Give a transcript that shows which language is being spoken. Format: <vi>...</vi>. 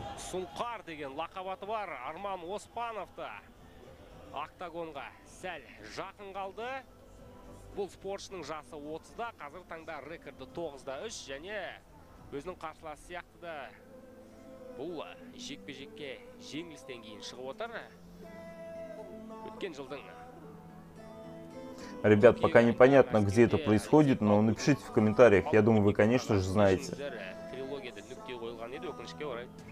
<kk>Сумқар деген лақабаты бар Арман Оспановты октагонға сәл жақын қалды. Бұл спортшының жасы 30-да, қазір таңда рекорды 9-3 және өзінің қарсыласы сияқты да бұл жекпе-жекке жеңілістен кейін шығып отыр. Өткен жылдың.</kk> <ru>Ребят, пока непонятно, где это происходит, но напишите в комментариях. Я думаю, вы, конечно же, знаете.</ru> <kk>Трилогияда нүкте қойылған еді, өкінішке орай.</kk>